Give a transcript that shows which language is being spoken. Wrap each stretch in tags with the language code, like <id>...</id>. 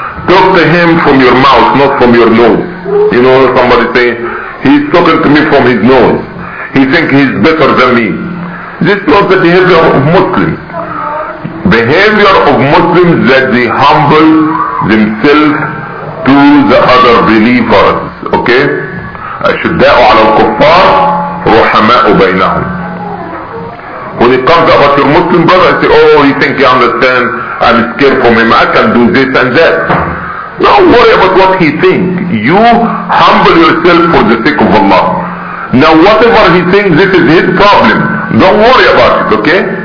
<en>Talk to him from your mouth, not from your nose. You know, somebody say, he's talking to me from his nose. He think he's better than me. This was the behavior of Muslims. Behavior of Muslims that they humble themselves to the other believers. Okay?</en> <ar>أشداءُ على الكفار رحماءُ بينهم.</ar> <en>When it comes about your Muslim brother, I say, oh, he think he understand, I'm scared from him, I can do this and that. Don't worry about what he think. You humble yourself for the sake of Allah. Now whatever he thinks, this is his problem. Don't worry about it, okay?</en>